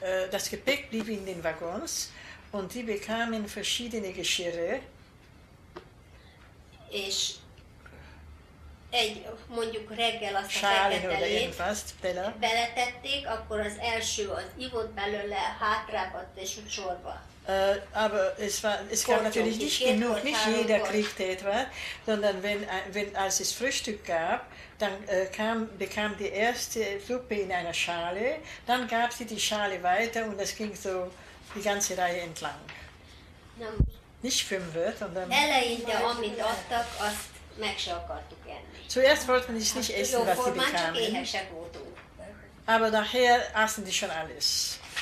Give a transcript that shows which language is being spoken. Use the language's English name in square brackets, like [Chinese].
[German] Das Gepäck blieb in den Waggons, und die bekamen verschiedene Geschirre. [Hungarian] És egy, mondjuk reggel azt Schálen a feketelét beletették, akkor az első az ivott belőle, hátrábadt és úgy sorba. [German] Aber es gab natürlich nicht genug, nicht jeder kriegte etwas, sondern als es Frühstück gab, dann bekam die erste Suppe in einer Schale, dann gab sie die Schale weiter, und es ging so die ganze Reihe entlang. Nicht fünf, sondern... [Hungarian] Eleinte, amit adtak, azt meg se akartuk enni. [German] Zuerst wollten sie nicht essen, was sie bekamen. Aber nachher aßen sie schon alles.